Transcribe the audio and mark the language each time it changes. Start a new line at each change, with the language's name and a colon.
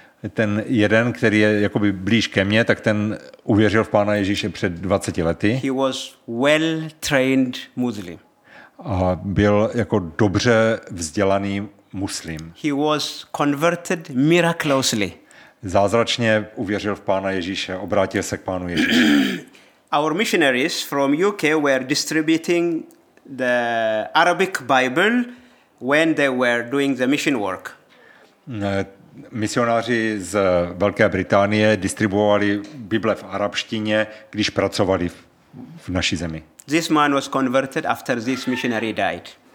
Czech: Ten jeden, který je jakoby blíž ke mně, tak ten uvěřil v Pána Ježíše před 20 lety.
English: He was well trained Muslim.
Czech: A byl jako dobře vzdělaný muslim.
English: He was converted miraculously.
Czech: Zázračně uvěřil v Pána Ježíše, obrátil se k Pánu Ježíši.
English: Our missionaries from UK were distributing the Arabic Bible when they were doing the mission work.
Czech: Misionáři z Velké Británie distribuovali Bible v arabštině, když pracovali v naší zemi.
English: This man was converted after this missionary died.